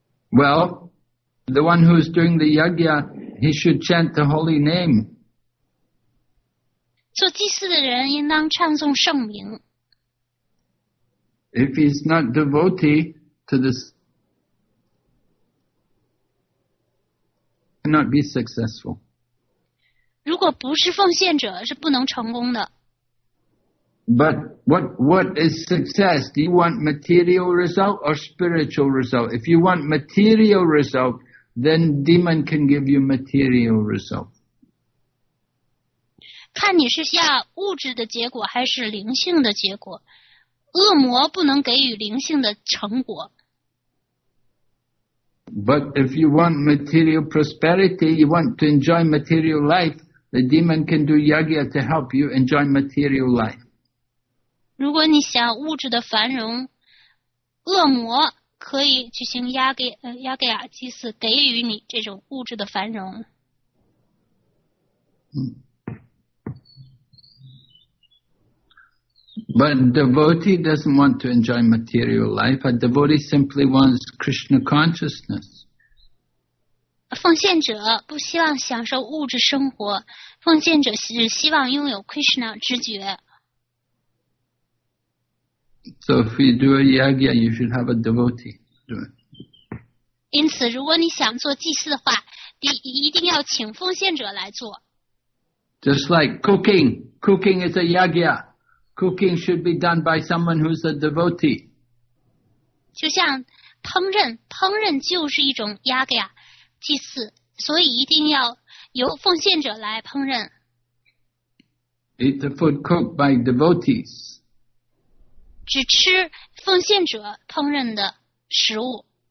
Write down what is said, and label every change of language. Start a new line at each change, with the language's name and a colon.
English: Well, the one who is doing the yagya, he should chant the holy name.
Chinese: 做祭祀的人应当唱诵圣名。
English: If he's not devotee to this, cannot be successful.
Chinese: 如果不是奉献者，是不能成功的。
English: But what is success? Do you want material result or spiritual result? If you want material result, then demon can give you material result.
Chinese: 看你是下物质的结果还是灵性的结果。恶魔不能给予灵性的成果。
English: But if you want material prosperity, you want to enjoy material life, the demon can do yagya to help you enjoy material life.
Chinese: 如果你想物质的繁荣，恶魔可以举行yagya祭祀，给予你这种物质的繁荣。
English: But a devotee doesn't want to enjoy material life. A devotee simply wants Krishna consciousness.
Chinese: 奉献者不希望享受物质生活，奉献者只希望拥有 Krishna 知觉。
English: So if you do a yagya, you should have a devotee.
Chinese: 对。因此，如果你想做祭祀的话，一定要请奉献者来做。
English: Just like cooking is a yagya. Cooking should be done by someone who's a devotee.
Chinese: 就像烹饪就是一种 yagya 祭祀，所以一定要由奉献者来烹饪。
English: Eat the food cooked by devotees.
Chinese: 只吃奉献者烹饪的食物。